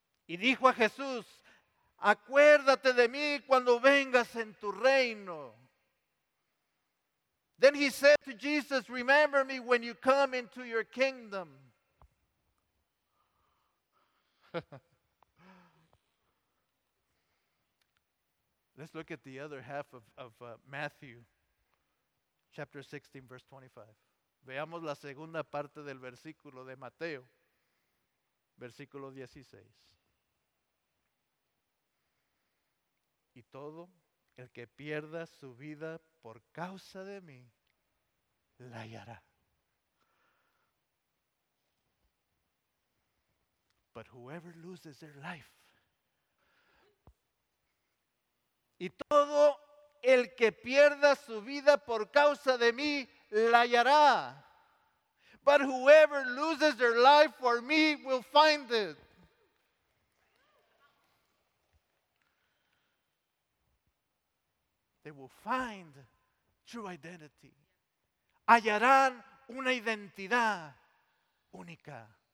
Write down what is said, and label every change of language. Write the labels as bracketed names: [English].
[Spanish] Y dijo a Jesús, acuérdate de mí cuando vengas en tu reino. [English] Then he said to Jesus, remember me when you come into your kingdom. Let's look at the other half of Matthew, chapter 16, verse 25. [Spanish] Veamos la segunda parte del versículo de Mateo, versículo 16. Y todo el que pierda su vida por causa de mí, la hallará. [English] But whoever loses their life. [Spanish] Y todo el que pierda su vida por causa de mí, la hallará. [English] But whoever loses their life for me will find it. They will find true identity. [Spanish] Hallarán una identidad única.